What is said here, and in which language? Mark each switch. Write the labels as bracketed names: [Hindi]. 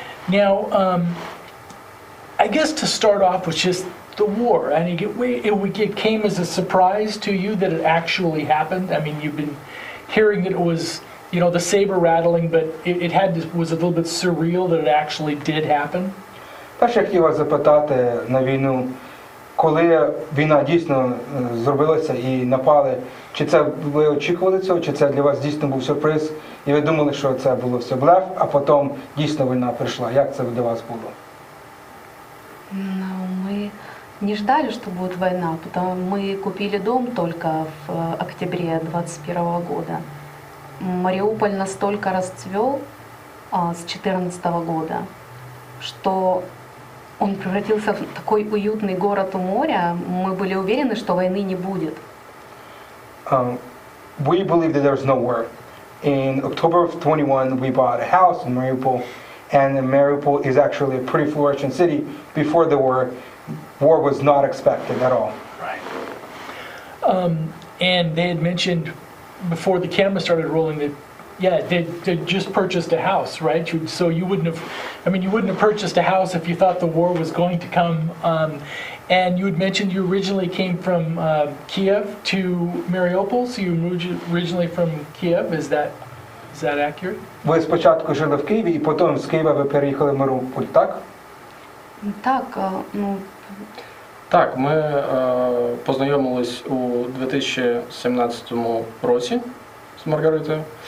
[English] Now, I guess to start off with just the war, and it came as a surprise to you that it actually happened. I mean, you've been hearing that it was, you know, the saber rattling, but it was a little bit surreal that it actually did happen. [Ukrainian] Перше, я хотів вас запитати на війну, коли війна дійсно зробилася і напали, чи це ви очікували цього, чи це для вас дійсно був сюрприз, і ви думали, що це було все блеф, а потім дійсно війна прийшла. Як це для вас було? [Russian] Мы не ждали, что будет война, потому что мы купили дом только в октябре 21 года. Мариуполь настолько расцвел с 14 года, что он превратился в такой уютный город у моря. Мы были уверены, что войны не будет. [English] We believe that there's no war. In October of 21, we bought a house in Mariupol. And Mariupol is actually a pretty flourishing city. Before the war, war was not expected at all. Right. And they had mentioned before the camera started rolling that, yeah, they just purchased a house, right? So you wouldn't have purchased a house if you thought the war was going to come. And you had mentioned you originally came from Kiev to Mariupol. So you moved originally from Kiev. Is that accurate? [Ukrainian] Ви спочатку жили в Києві, і потім з Києва ви переїхали в Маріуполь, так? Так. Так, ми познайомились у 2017 році з Маргаритою.